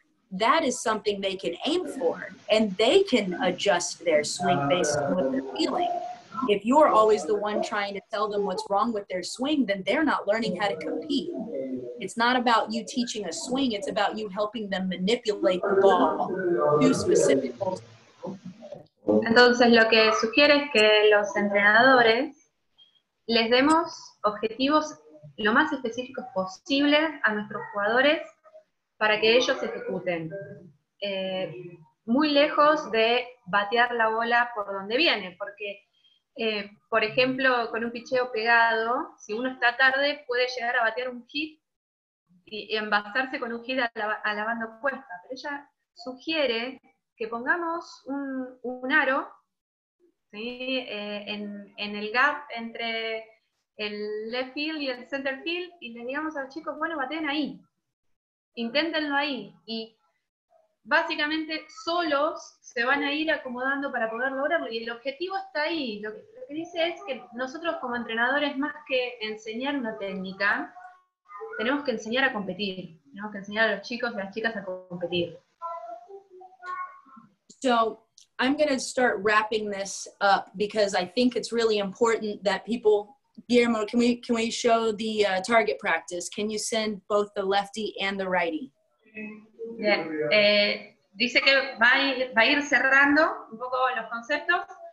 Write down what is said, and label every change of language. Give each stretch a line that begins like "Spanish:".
English: That is something they can aim for, and they can adjust their swing based on what they're feeling. If you're always the one trying to tell them what's wrong with their swing, then they're not learning how to compete. It's not about you teaching a swing, it's about you helping them manipulate the ball to specific goals.
Spanish: Entonces, lo que sugiere es que los entrenadores les demos objetivos lo más específicos posible a nuestros jugadores para que ellos ejecuten. Muy lejos de batear la bola por donde viene, porque, por ejemplo, con un picheo pegado, si uno está tarde, puede llegar a batear un hit y envasarse con un hit alabando cuesta, pero ella sugiere que pongamos un aro, ¿sí? En el gap entre el left field y el center field, y le digamos a los chicos, bueno, baten ahí, inténtenlo ahí, y básicamente solos se van a ir acomodando para poder lograrlo, y el objetivo está ahí. Lo que dice es que nosotros como entrenadores, más que enseñar una técnica, tenemos que enseñar a competir, tenemos que enseñar a los chicos y a las chicas a competir.
English: So, I'm going to start wrapping this up because I think it's really important that people... Guillermo, can we show the target practice? Can you send both the lefty and the righty?
Spanish: Bien. Dice que va a ir cerrando un poco los conceptos.